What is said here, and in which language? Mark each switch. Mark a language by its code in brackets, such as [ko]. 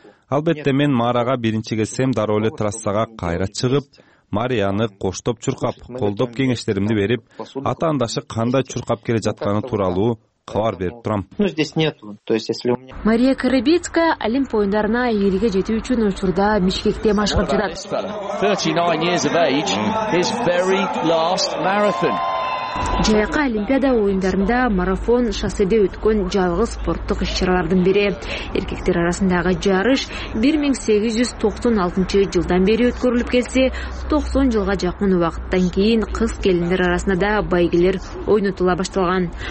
[ky] Албетте, мен Марага биринчи келсем, дароо эле трассага кайра чыгып, Марияны коштоп чуркап, колдоп кеңештеримди берип, атаандашы кандай чуркап келе жатканы тууралуу кабар берип турам. [ru] Ну, здесь нету. То есть, если у меня... [ky] Мария Карабицкая олимп оюндарына ийгилике жетүү үчүн учурда Бишкекте машыгып жатат. [en] 39 years of age, his very last marathon. [ky] Жайкы олимпиада оюндарында марафон шосседе өткөн жалгыз спорттук иш-чаралардын бири. Эркектер арасындагы жарыш 1896 жылдан бери өткөрүлүп келсе, 90 жылга жакын убакыттан кийин кыз келиндер арасында да байгелер ойнотула башталган.